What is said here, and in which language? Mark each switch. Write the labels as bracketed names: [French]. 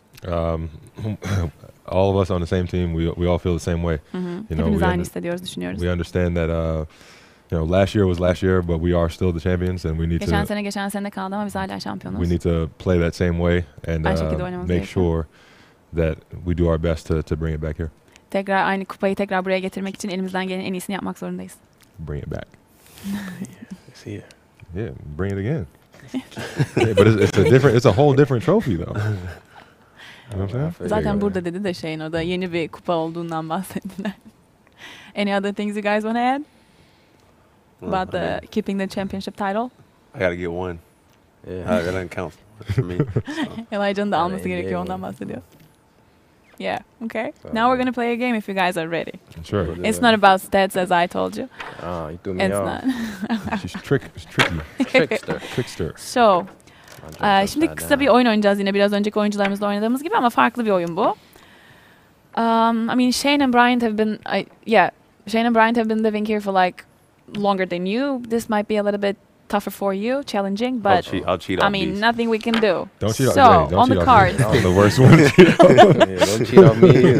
[English] All of us on the same team, we all feel the same way. Mm-hmm. You know, we understand that you know, last year was last year, but we are still the champions, and we need to play that same way and make sure that we do our best to bring it back here. [Turkish] Tekrar aynı kupayı tekrar buraya getirmek için elimizden gelen en iyisini yapmak zorundayız. [English] Bring it back. See ya. Yeah, bring it again. But it's a whole different trophy though. [Turkish] Zaten burada dedi de Shane, o da yeni bir kupa olduğundan bahsettiler. [English] Any other things you guys want to add? About the keeping the championship title? I got to get one. Yeah, that doesn't count for me. [Turkish] Elijah'ın da alması gerekiyor, ondan bahsediyor. [English] Yeah. Okay. So now we're going to play a game if you guys are ready. Sure. It's not about stats, as I told you. Ah, you threw me off. It's not. She's tricky. Trickster. [Turkish] So, şimdi kısa bir oyun oynayacağız yine. Biraz önceki oyuncularımızla oynadığımız gibi ama farklı bir oyun bu. [English] Shane and Bryant have been living here for like longer than you. This might be a little bit tougher for you, challenging, but I'll cheat on these. Nothing we can do. Don't cheat so, on me. So, on the card. The worst one. Don't cheat on me.